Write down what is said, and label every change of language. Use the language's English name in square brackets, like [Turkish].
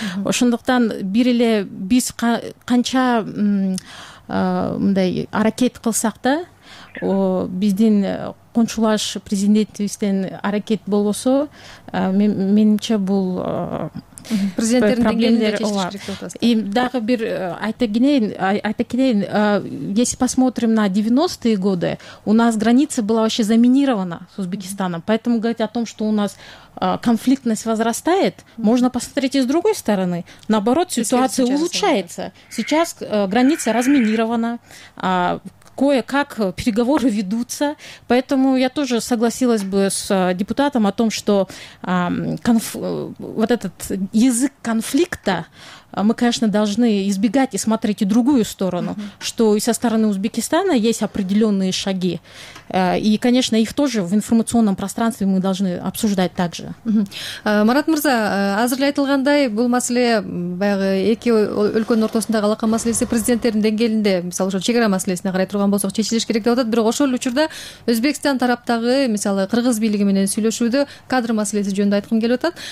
[Kyrgyz] Ошондуктан бир эле биз канча мындай аракет кылсак да, биздин коңшулаш президентибизден аракет болбосо, менимче бул президенттердин деңгээлинде чечилиш керек деп атасыз. [Russian] И [Kyrgyz] дагы бир айта кетейин, [Russian] если посмотрим на 90-е годы, у нас граница была вообще заминирована с Узбекистаном. Поэтому говорить о том, что у нас конфликтность возрастает, можно посмотреть и с другой стороны. Наоборот, ситуация улучшается. Сейчас граница разминирована. Кое-как переговоры ведутся, поэтому я тоже согласилась бы с депутатом о том, что вот этот язык конфликта мы, конечно, должны избегать и смотреть и другую сторону, что и со стороны Узбекистана есть определенные шаги. И, конечно, их тоже в информационном пространстве мы должны обсуждать также. [Kyrgyz] Марат Мырза, азырлай айтылгандай, бул маселе баягы эки өлкөнүн ортосундагы алака маселеси президенттердин деңгээлинде, мисалы ошол чек ара маселесине карай турган болсок, чечилиш керек деп атат. Бирок ошол учурда Өзбекстан тараптагы, мисалы, кыргыз бийлиги менен сүйлөшүүдө кадр маселеси жөнүндө айткым келип атат.